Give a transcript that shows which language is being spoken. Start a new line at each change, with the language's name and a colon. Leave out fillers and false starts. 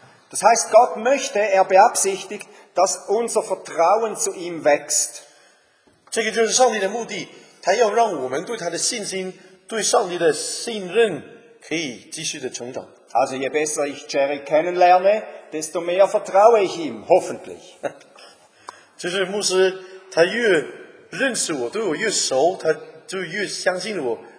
German: Das heißt, Gott möchte, er beabsichtigt, dass unser Vertrauen zu ihm wächst.
Chinese: 这个就是上帝的目的，他要让我们对他的信心，对上帝的信任可以继续的成长。
German: Also je besser ich Jerry kennenlerne, desto mehr vertraue ich ihm, hoffentlich.
Chinese: 就是牧师，他越认识我，对我越熟，他就越相信我。